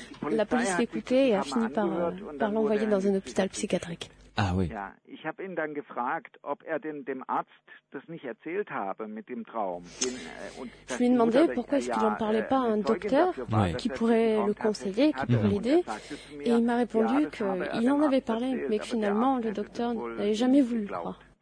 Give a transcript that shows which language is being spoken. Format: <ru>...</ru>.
<fr>La police l'écoutait et a fini par l'envoyer dans un hôpital psychiatrique. Ah oui.</fr> <de>Ich habe ihn dann gefragt, ob er denn dem Arzt das nicht erzählt habe mit dem Traum.</de> <fr>Je lui ai demandé pourquoi est-ce qu'il n'en parlait pas à un docteur qui pourrait le conseiller, qui pourrait l'aider. Et il m'a répondu qu'il en avait parlé, mais que finalement le docteur n'avait jamais voulu le croire.</fr>